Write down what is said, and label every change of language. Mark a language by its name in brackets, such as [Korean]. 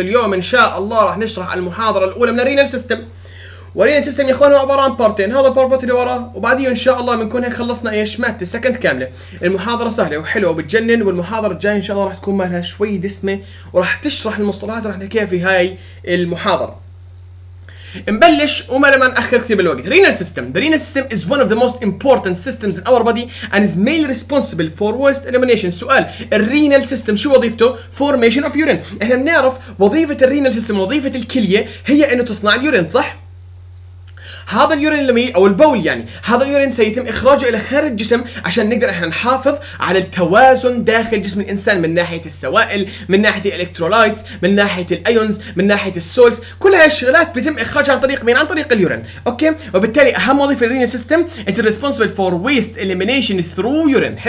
[Arabic] اليوم ان شاء الله راح نشرح المحاضره الاولى من الرينال سيستم. ورينال سيستم يا اخوان هو عباره عن بارتين، هذا البارت اللي وراه، وبعديه ان شاء الله بنكون هيك خلصنا ايش مات السكند كامله. المحاضره سهله وحلوه وبتجنن، والمحاضره الجايه ان شاء الله راح تكون مالها شوي دسمه وراح تشرح المصطلحات راح نحكيها في هاي المحاضره. نبلش وما لما نأخر كثير بالوقت. [English] Renal system. The renal system is one of the most important systems in our body and is mainly responsible for waste elimination. [Arabic] سؤال: [English] Renal system [Arabic] شو وظيفته؟ [English] Formation of urine. [Arabic] احنا بنعرف وظيفة Renal system، وظيفة الكلية هي انه تصنع اليورين، صح؟ هذا اليورين اللي او البول يعني، هذا اليورين سيتم اخراجه الى خارج الجسم عشان نقدر احنا نحافظ على التوازن داخل جسم الانسان من ناحيه السوائل، من ناحيه الالكترولايتس، من ناحيه الايونز، من ناحيه السولز، كل هاي الشغلات بيتم اخراجها عن طريق مين؟ عن طريق اليورين، اوكي؟ وبالتالي اهم وظيفه للرينال سيستم [English] is responsible for waste elimination through urine.